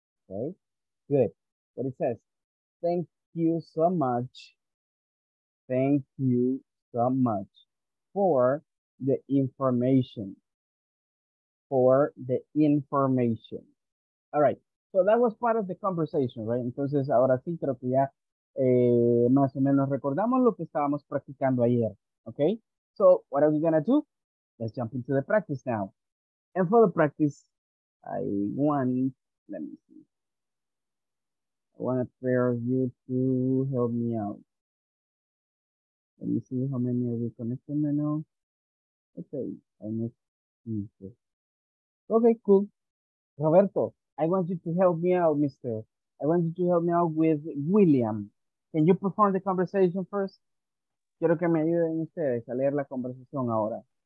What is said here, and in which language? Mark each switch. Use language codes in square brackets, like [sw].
[en] Okay, good. But it says, thank you so much. Thank you so much for the information. For the information. All right, so that was part of the conversation, right? [es] Entonces, ahora sí creo que ya más o menos recordamos lo que estábamos practicando ayer. [en] Okay, so what are we gonna do? Let's jump into the practice now. And for the practice, I want a pair of you to help me out. Let me see how many are we connecting right now. Okay, I missed. Okay, cool. Roberto, I want you to help me out, mister. I want you to help me out with William. Can you perform the conversation first? [es] Quiero que me ayuden ustedes a leer la conversación ahora.